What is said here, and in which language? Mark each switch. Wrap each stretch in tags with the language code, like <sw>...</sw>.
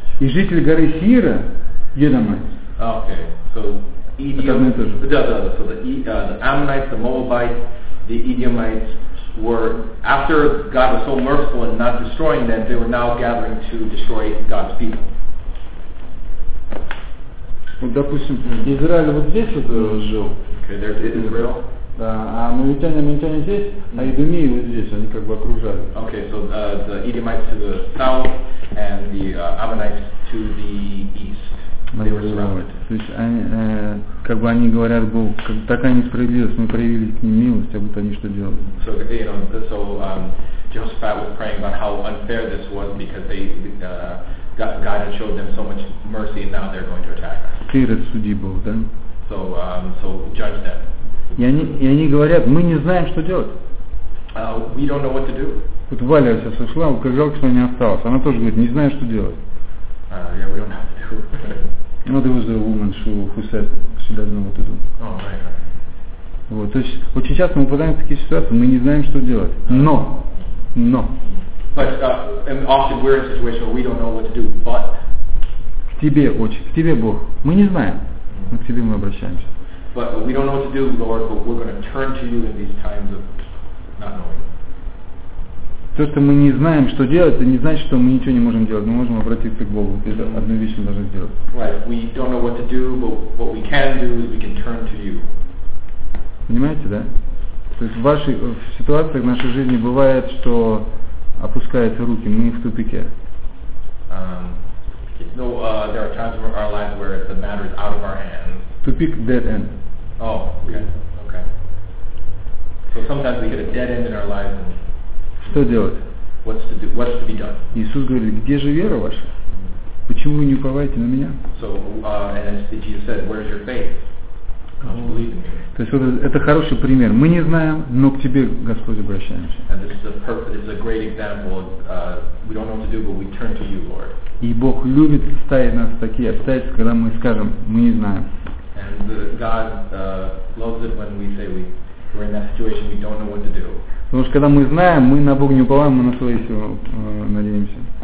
<ru>И жители горы Сеира, Едомites.</ru> <en>Okay. So Edomites. So the Ammonites, the Moabites, the Edomites were, after God was so merciful in not destroying them, they were now gathering to destroy God's people.</en> <ru>Вот, допустим, Израиль вот здесь вот жил.</ru> <en>Okay, there's Israel.</en> <ru>Да, а мавитяне здесь, а идумеи вот здесь, они как бы окружали.</ru> <en>Okay, so the Edomites to the south and the Ammonites to the east. They were surrounded.</en> <ru>То есть они, как бы они говорят, Бог, как, такая несправедливость, мы проявили к ним милость, а вот они что делали.</ru> <en>So, Jehoshaphat was praying about how unfair this was because they God had showed them so much mercy and now they're going to attack us.</en> <ru>Ты рассуди Бог, да?</ru> <en>So judge them.</en> <ru>И они говорят, мы не знаем, что делать.</ru> <en>We don't know what to do.</en> <ru>Вот Валя сейчас ушла, как жалко, что она не осталась. Она тоже говорит, не знаю, что делать.</ru> <en>Yeah, we don't know what to do. Well, there was a woman who said, she doesn't know what to do. Oh, right.</en> <ru>Вот, то есть, очень часто мы попадаем в такие ситуации, мы не знаем, что делать. Но.</ru> <en>But often we're in a situation where we don't know what to do, but.</en> <ru>К тебе, Отче, к тебе, Бог. Мы не знаем, но к тебе мы обращаемся.</ru> <en>But we don't know what to do, Lord, but we're going to turn to you in these times of not knowing.</en> <ru>То, что мы не знаем, что делать, это не значит, что мы ничего не можем делать. Мы можем обратиться к Богу. Это одну вещь мы должны сделать.</ru> <en>Right. We don't know what to do, but what we can do is we can turn to you.</en> <ru>понимаете, да? То есть в ситуациях в нашей жизни бывает, что опускаются руки, мы в тупике.</ru> <en>There are times in our lives where the matter is out of our hands.</en> <ru>Тупик,</ru> <en>dead end. Oh, okay. So sometimes we get a dead end in our lives. And</en> <ru>что делать?</ru> <en>What's to be done?</en> <ru>Иисус говорит, где же вера ваша? Почему вы не уповаете на меня?</ru> <en>So, and as Jesus said, where's your faith?</en> <ru>То есть вот это хороший пример. Мы не знаем, но к тебе, Господь, обращаемся.</ru> <en>And this is a perfect, this is a great example. We don't know what to do, but we turn to you, Lord.</en> <ru>И Бог любит ставить нас в такие обстоятельства, когда мы скажем, мы не знаем.</ru> <en>And God loves it when we say we're in that situation, we don't know what to do.</en> <ru>Потому что когда мы знаем, мы на Бога не уповаем, мы на свои силы надеемся.</ru>